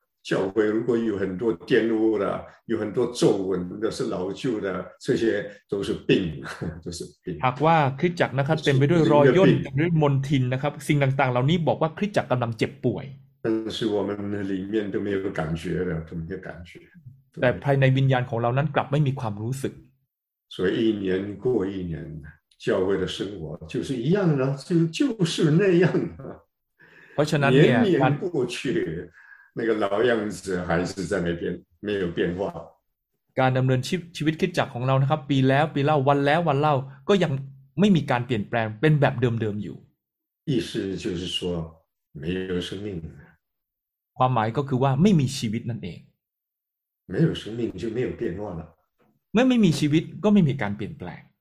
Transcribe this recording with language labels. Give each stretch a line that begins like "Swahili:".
Chinese: 教会如果有很多玷污的有很多皱纹的是老旧的这些都是病都是病
Thai: หากว่าคริสตจักรนะครับเต็มไปด้วยรอยย่นด้วยมลทินนะครับสิ่งต่างๆเหล่านี้บอกว่าคริสตจักรกำลังเจ็บป่วย
Chinese: 但是我们里面都没有感觉的都没有感觉
Thai: แต่ภายในวิญญาณของเรานั้นกลับไม่มีความรู้สึก
Chinese: 所以一年过一年教会的生活就是一样的就是那样的
Thai: เพราะฉะนั้นเนี่ย
Chinese: การ过去那个老样子还是在那边没有变化
Thai: การดำเนินชีวิตคริสตจักรของเรานะครับปีแล้วปีเล่าวันแล้ววันเล่าก็ยังไม่มีการเปลี่ยนแปลงเป็นแบบเดิมๆอยู่
Chinese: 意思就是说没有生命
Thai: ความหมายก็คือว่าไม่มีชีวิตนั่นเอง
Chinese: 没有生命就没有变化了
Thai: เมื่อไม่มีชีวิตก็ไม่มีการเปลี่ยนแปลง